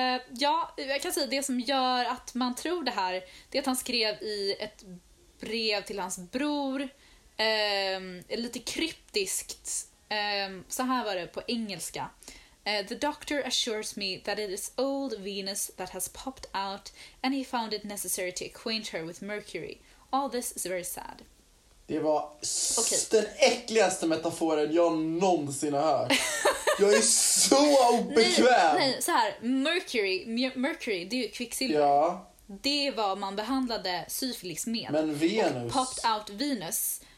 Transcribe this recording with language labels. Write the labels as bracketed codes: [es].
[sv] Ja, jag kan säga det som gör att man tror det här, det är att han skrev i ett brev till hans bror, lite kryptiskt. Så här var det på engelska. [en] The doctor assures me that it is old Venus that has popped out and he found it necessary to acquaint her with Mercury. All this is very sad. [sv] Det var den äckligaste metaforen jag någonsin har hört. Jag är så obekväm. Nej, så här, Mercury, det är ju kvicksilver. Ja. Det var man behandlade syfilis med. Men Venus. Och [en] popped out [sv] Venus.